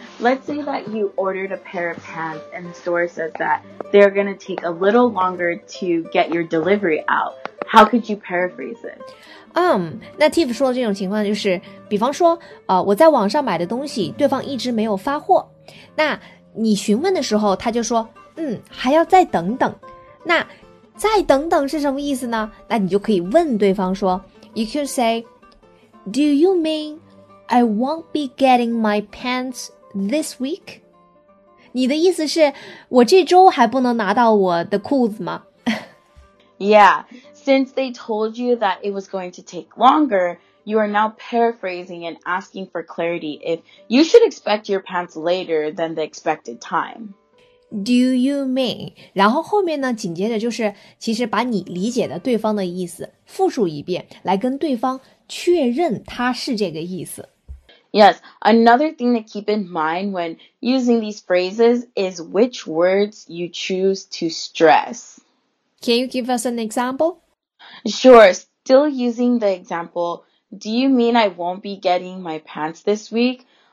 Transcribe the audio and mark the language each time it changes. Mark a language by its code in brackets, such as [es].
[en] Let's say that you ordered a pair of pants and the store says that they're going to take a little longer to get your delivery out. How could you paraphrase it? [zh] 那 Tiff 说的这种情况就是比方说、我在网上买的东西对方一直没有发货。那你询问的时候他就说嗯还要再等等。那再等等是什么意思呢那你就可以问对方说 [en] You could say, Do you mean I won't be getting my pants? This week? [zh] 你的意思是我这周还不能拿到我的裤子吗? [en] Yeah, since they told you that it was going to take longer, you are now paraphrasing and asking for clarity if you should expect your pants later than the expected time. Do you mean? [zh] 然后后面呢紧接着就是其实把你理解的对方的意思复述一遍来跟对方确认他是这个意思。 [en] Yes, another thing to keep in mind when using these phrases is which words you choose to stress. Can you give us an example? Sure, still using the example, do you mean I won't be getting my pants this week?